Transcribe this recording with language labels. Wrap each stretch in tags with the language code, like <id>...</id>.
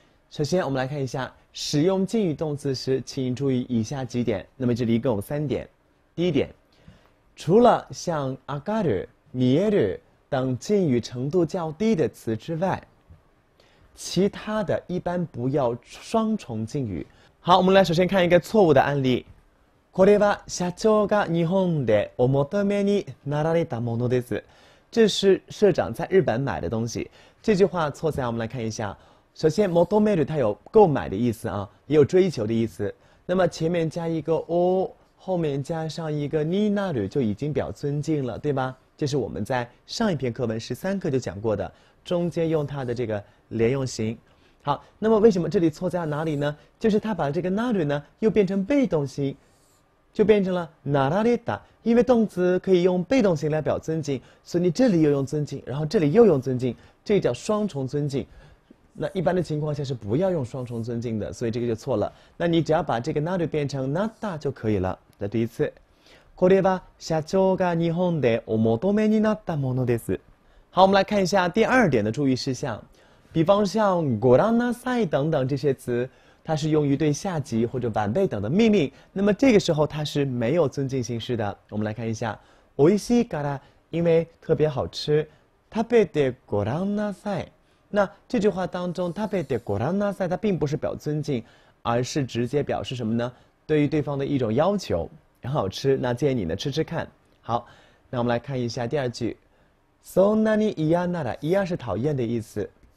<zh>首先我们来看一下使用敬语动词时请注意以下几点，那么这里一共有三点。第一点，除了像아가르、미에르等敬语程度较低的词之外，其他的一般不要双重敬语。好，我们来首先看一个错误的案例。</zh> <ja>これは社長が日本でお求めになられたものです。</ja> <zh>这是社长在日本买的东西。这句话错在，我们来看一下。首先 求める 它有购买的意思啊，也有追求的意思。那么前面加一个お，后面加上一个になる，就已经表尊敬了，对吧？这是我们在上一篇课文十三课就讲过的，中间用它的这个连用型。好，那么为什么这里错在哪里呢？就是他把这个なる呢又变成被动型，就变成了なられた，因为动词可以用被动型来表尊敬，所以你这里又用尊敬，然后这里又用尊敬，这叫双重尊敬。那一般的情况下是不要用双重尊敬的，所以这个就错了。那你只要把这个なる变成なった就可以了。再读一次。</zh> <ja>これは社長が日本でお求めになったものです。</ja> <zh>好，我们来看一下第二点的注意事项。比方像ご覧なさい等等这些词，它是用于对下级或者晚辈等的命令，那么这个时候它是没有尊敬形式的。我们来看一下，</zh> <ja>おいしいから，</ja> <zh>因为特别好吃，</zh> <ja>食べてご覧なさい。</ja> <zh>那这句话当中，食べてご覧なさい，它并不是表尊敬，而是直接表示什么呢？对于对方的一种要求，很好吃，那建议你呢吃吃看。好，那我们来看一下第二句，</zh> <ja>そんなに嫌なら，</ja> <zh>嫌是讨厌的意思。</zh>